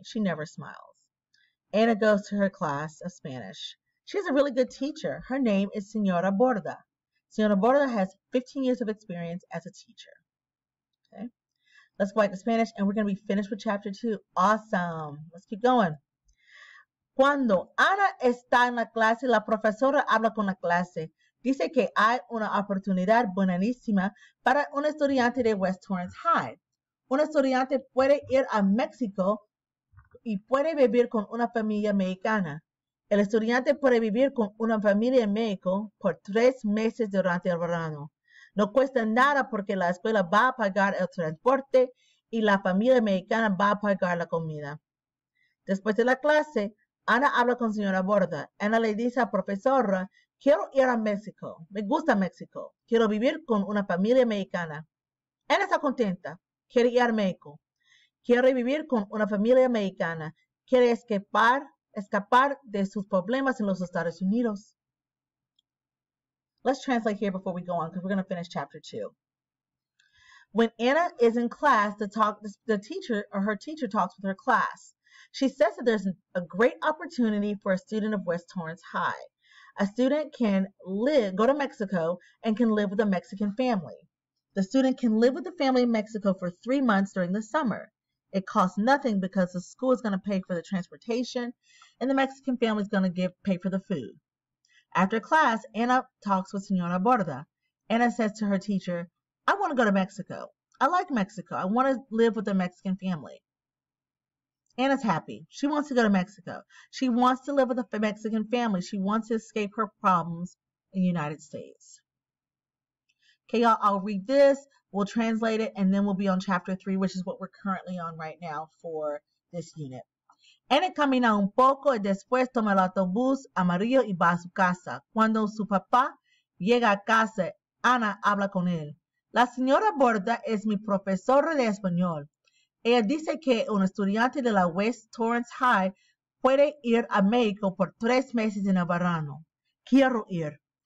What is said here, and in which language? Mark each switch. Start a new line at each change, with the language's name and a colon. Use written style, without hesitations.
English: She never smiles. Anna goes to her class of Spanish. She has a really good teacher. Her name is Senora Borda. Senora Borda has 15 years of experience as a teacher. Okay. Let's go back to Spanish and we're going to be finished with chapter two. Awesome. Let's keep going.
Spanish: Cuando Ana está en la clase, la profesora habla con la clase. Dice que hay una oportunidad buenísima para un estudiante de West Torrance High. Un estudiante puede ir a México y puede vivir con una familia mexicana. El estudiante puede vivir con una familia en México por 3 meses durante el verano. No cuesta nada porque la escuela va a pagar el transporte y la familia mexicana va a pagar la comida. Después de la clase, Ana habla con señora Borda. Ana le dice a profesora, quiero ir a México. Me gusta México. Quiero vivir con una familia mexicana. Ana está contenta. Quiere ir a México. Quiere vivir con una familia mexicana. Quiere escapar de sus problemas en los Estados Unidos.
English: Let's translate here before we go on because we're going to finish chapter two. When Anna is in class, the teacher or her teacher talks with her class. She says that there's a great opportunity for a student of West Torrance High. A student can live, go to Mexico and can live with a Mexican family. The student can live with the family in Mexico for 3 months during the summer. It costs nothing because the school is going to pay for the transportation and the Mexican family is going to pay for the food. After class, Anna talks with Senora Borda. Anna says to her teacher, I want to go to Mexico. I like Mexico. I want to live with a Mexican family. Anna's happy. She wants to go to Mexico. She wants to live with a Mexican family. She wants to escape her problems in the United States. Okay, y'all, I'll read this. We'll translate it, and then we'll be on chapter three, which is what we're currently on right now for this unit.
Spanish: Anna camina un poco y después toma el autobús amarillo y va a su casa. Cuando su papá llega a casa, Ana habla con él. La señora Borda es mi profesora de español. Ella dice que un estudiante de la West Torrance High puede ir a México por 3 meses en el verano. Quiero ir.